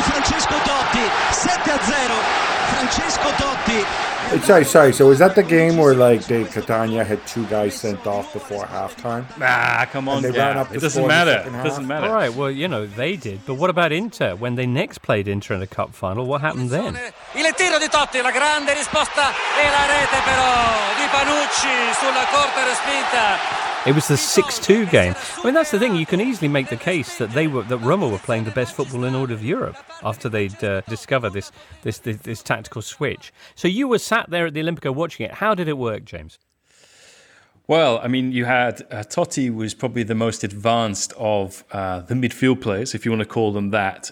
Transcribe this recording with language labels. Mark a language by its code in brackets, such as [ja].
[it] Francesco Totti, 7-0, Francesco Totti. [en] Sorry, so was that the game where, like, Dave Catania had two guys sent off before halftime? Ah, come on, it doesn't matter. All right, well, you know, they did. But what about Inter? When they next played Inter in a cup final, what happened then? [it] Il tiro di Totti, la grande risposta e la rete però di Panucci sulla corta respinta. [en] It was the 6-2 game. I mean, that's the thing. You can easily make the case that Roma were playing the best football in all of Europe after they'd discovered this tactical switch. So you were sat there at the Olympico watching it. How did it work, James? Well, I mean, you had Totti was probably the most advanced of the midfield players, if you want to call them that.